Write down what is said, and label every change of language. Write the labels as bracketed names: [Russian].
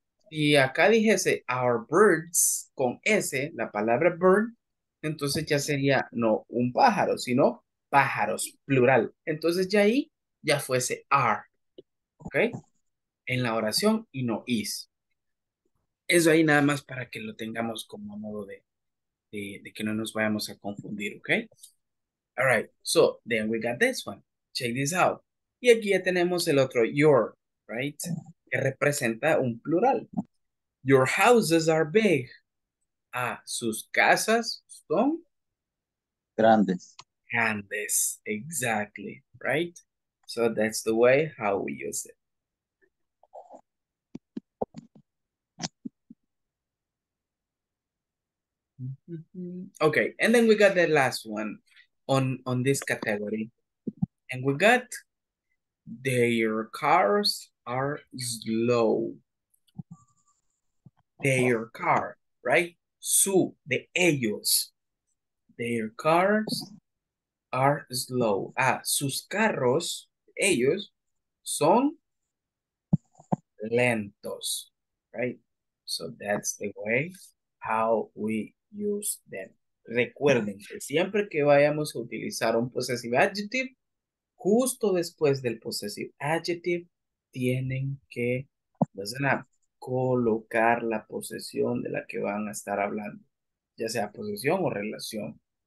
[Spanish] Y acá dijese our birds con S, la palabra bird, entonces ya sería no un pájaro, sino pájaros, plural. Entonces, ya ahí ya fuese are, ¿ok? En la oración y no is. Eso ahí nada más para que lo tengamos como a modo de que no nos vayamos a confundir, ¿ok? [English] All right, so then we got this one. Check this out. [Spanish] Y aquí ya tenemos el otro, your, right? Que representa un plural. [English] Your houses are big. [Spanish] Ah, sus casas son... grandes. [English] Grandes, exactly, right? So that's the way how we use it. Okay, and then we got the last one on this category. And we got their cars are slow. their car, right? [Spanish] Su, de ellos. [English] Their cars are slow. [Spanish] Ah, sus carros, ellos, son lentos, [English] right? So that's the way how we use them. [Spanish] Recuerden que siempre que vayamos a utilizar un possessive adjective, justo después del possessive adjective, tienen que colocar la posesión de la que van a estar hablando, ya sea posesión o relación.